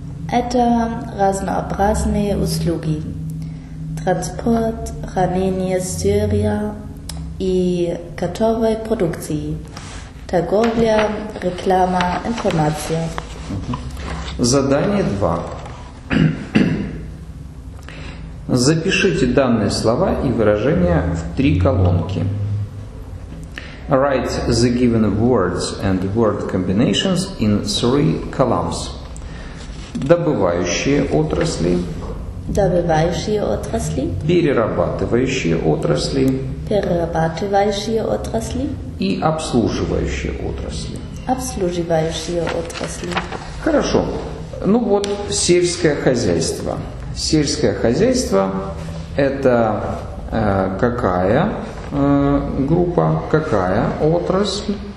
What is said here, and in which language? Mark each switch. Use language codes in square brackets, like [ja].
[ru] Это разнообразные услуги. Транспорт, хранение сырья и готовой продукции. Торговля, реклама, информация. Задание 2. Запишите данные слова и выражения в три колонки. [en] Write the given words and word combinations in three columns. [ru] Добывающие отрасли. Добывающие отрасли. Перерабатывающие отрасли. Перерабатывающие отрасли. И обслуживающие отрасли. Обслуживающие отрасли. Хорошо. Ну вот, сельское хозяйство. Сельское хозяйство – это какая группа, какая отрасль?